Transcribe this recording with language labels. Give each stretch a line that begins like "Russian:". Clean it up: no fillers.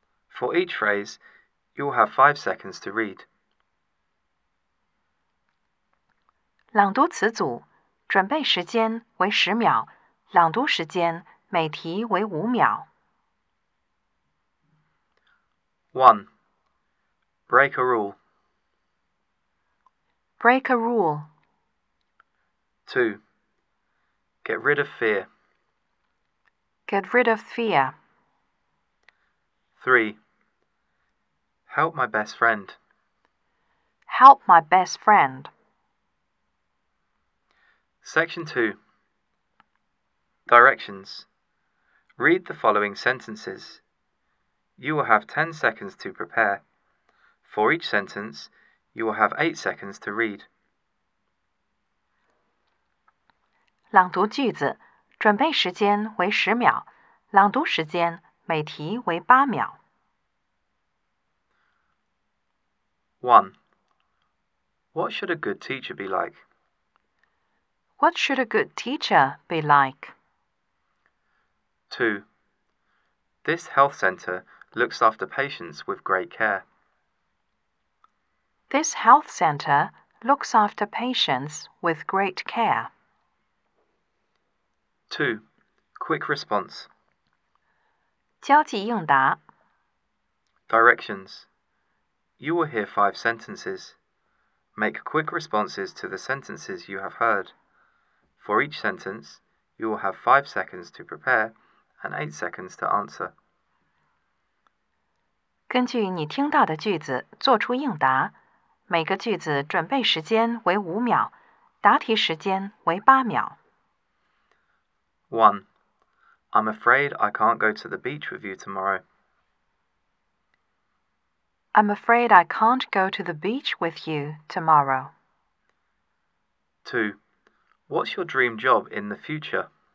English: For each phrase, you will have 5 seconds to read.
Chinese: 朗读词组，准备时间为十秒，朗读时间每题为五秒。
English: 1. Break a rule. Break a rule. 2. Get rid of fear. Get rid of fear. 3. Help my best friend. Help my best friend. Section 2. Directions. Read the following sentences. You will have 10 seconds to prepare. For each sentence, you will have 8 seconds to read.
Chinese: 朗读句子，准备时间为十秒，朗读时间每题为八秒。
English: 1. What should a good teacher be like? What should a good teacher be like? 2. This health center looks after patients with great care. This health center looks after patients with great care. 2. Quick response.
Chinese: 交际应答。
English: Directions. You will hear 5 sentences. Make quick responses to the sentences you have heard. For each sentence, you will have 5 seconds to prepare and 8 seconds to answer.
Chinese: 根据你听到的句子做出应答，每个句子准备时间为5秒，答题时间为8秒。
English: 1. I'm afraid I can't go to the beach with you tomorrow. I'm afraid I can't go to the beach with you tomorrow. 2. What's your dream job in the future?